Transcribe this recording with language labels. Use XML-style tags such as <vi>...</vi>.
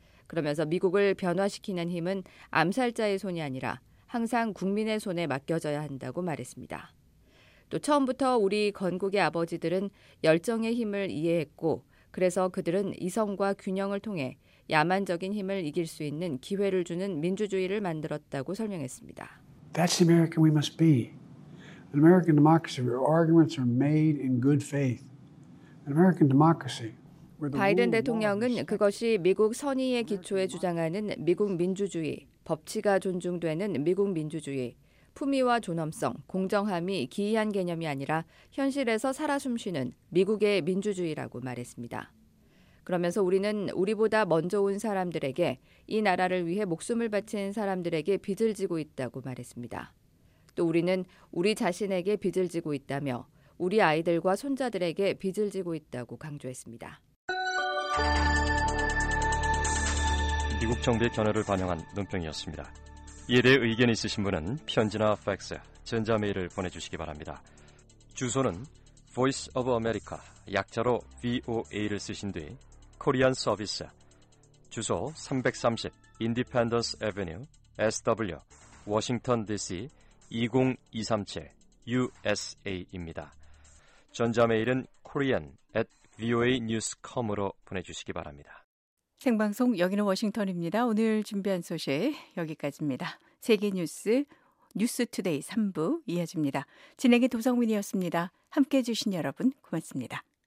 <ko>그러면서 미국을 변화시키는 힘은 암살자의 손이 아니라 항상 국민의 손에 맡겨져야 한다고 말했습니다. 또 처음부터 우리 건국의 아버지들은 열정의 힘을 이해했고 그래서 그들은 이성과 균형을 통해 야만적인 힘을 이길 수 있는 기회를 주는 민주주의를 만들었다고 설명했습니다.</ko> <en>That's the America we must be. An American democracy where arguments are made in good faith. An American democracy where the</en> <ko>바이든 대통령은 그것이 미국 선의의 기초에 주장하는 미국 민주주의, 법치가 존중되는 미국 민주주의, 품위와 존엄성, 공정함이 기이한 개념이 아니라 현실에서 살아 숨쉬는 미국의 민주주의라고 말했습니다. 그러면서 우리는 우리보다 먼저 온 사람들에게 이 나라를 위해 목숨을 바친 사람들에게 빚을 지고 있다고 말했습니다. 또 우리는 우리 자신에게 빚을 지고 있다며 우리 아이들과 손자들에게 빚을 지고 있다고 강조했습니다. 미국 정부의 견해를 반영한 논평이었습니다. 이에 대해 의견이 있으신 분은 편지나 팩스, 전자메일을 보내주시기 바랍니다. 주소는 Voice of America, 약자로 VOA를 쓰신 뒤 Korean Service, 주소 330 Independence Avenue, SW, Washington DC 20237, USA입니다. 전자메일은 korean@voanews.com으로 보내주시기 바랍니다. 생방송 여기는 워싱턴입니다. 오늘 준비한 소식 여기까지입니다. 세계 뉴스, 뉴스 투데이 3부 이어집니다. 진행의 도성민이었습니다. 함께해 주신 여러분 고맙습니다.</ko>